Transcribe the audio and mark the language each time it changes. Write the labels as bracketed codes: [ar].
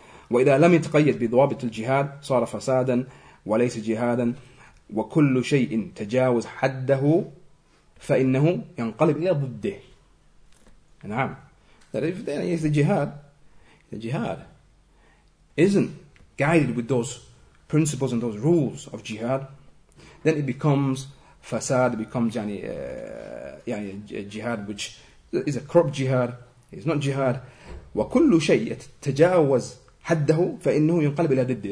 [ar] وإذا لم يتقيد بضوابط الجهاد صار فسادا وليس جهادا. وكل شيء تجاوز حده فإنه ينقلب إلى ضده. نعم. [en] That if then is the jihad isn't guided with those principles and those rules of jihad, then it becomes fasad, it becomes يعني jihad which is a corrupt jihad, it's not jihad. [ar] وكل شيء تجاوز حده فإنه ينقلب إلى ضده.